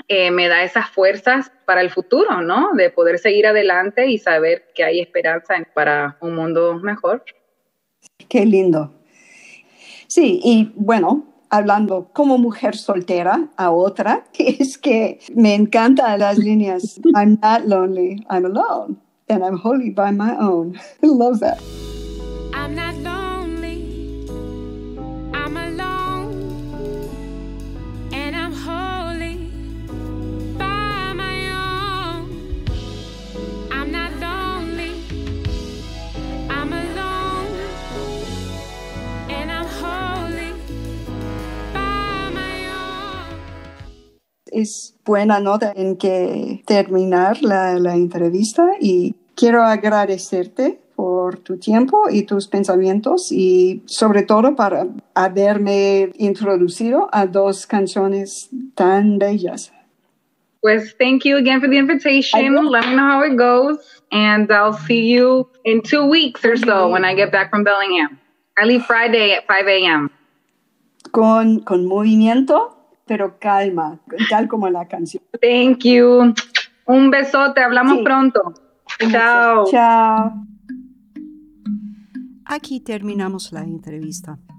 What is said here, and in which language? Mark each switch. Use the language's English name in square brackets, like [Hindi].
[Spanish] me da esas fuerzas para el futuro, ¿no? De poder seguir adelante y saber que hay esperanza para un mundo mejor. Qué lindo. Sí, y bueno, hablando como mujer soltera a otra, es que me encantan las líneas. [English] I'm not lonely, I'm alone, and I'm holy by my own. I love that. I'm not lonely, I'm alone, and I'm holy by my own. I'm not lonely, I'm alone, and I'm holy by my own. [Spanish] Es buena nota en que terminar la entrevista y quiero agradecerte por tu tiempo y tus pensamientos y sobre todo para haberme introducido a dos canciones tan bellas. Pues [English] thank you again for the invitation. Let me know how it goes and I'll see you in 2 weeks or so when I get back from Bellingham. I leave Friday at 5 a.m. [Spanish] Con movimiento, pero calma, tal como la canción. [English] Thank you. [Spanish] Un besote, hablamos pronto. Chao. Chao. Aquí terminamos la entrevista.